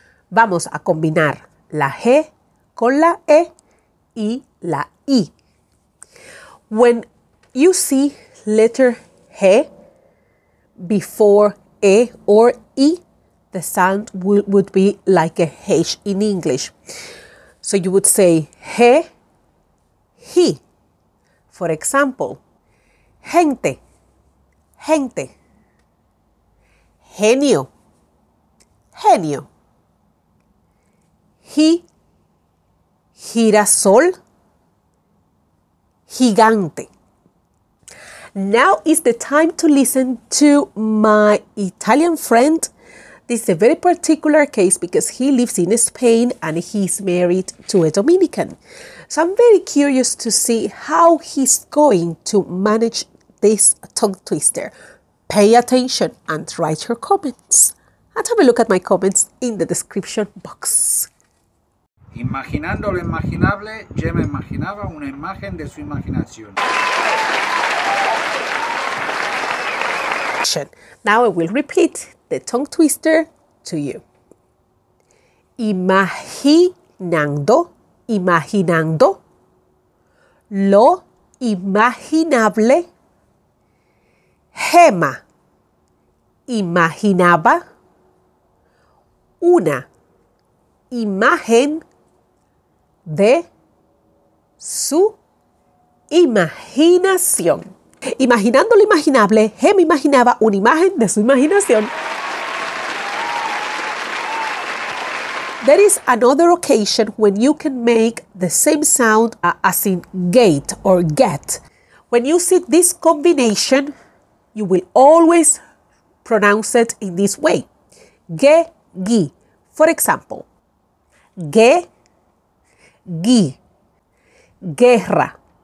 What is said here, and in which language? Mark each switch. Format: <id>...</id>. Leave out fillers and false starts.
<es>Vamos a combinar la G con la E y la I.</es> <en>When you see letter G before E or I, the sound would be like a H in English. So you would say G, he. For example, gente, gente. Genio, genio. He, girasol, gigante. Now is the time to listen to my Italian friend. This is a very particular case because he lives in Spain and he's married to a Dominican. So I'm very curious to see how he's going to manage this tongue twister. Pay attention and write your comments. And have a look at my comments in the description box.</en> <es>Imaginando lo imaginable, yo me imaginaba una imagen de su imaginación.</es> <en>Now I will repeat the tongue twister to you.</en> <es>Imaginando, imaginando lo imaginable. Gema imaginaba una imagen de su imaginación. Imaginando lo imaginable, Gemma imaginaba una imagen de su imaginación.</es> <en>There is another occasion when you can make the same sound as in gate or get. When you see this combination, you will always pronounce it in this way. Ge, gi. For example, ge, gi. Guerra.</en>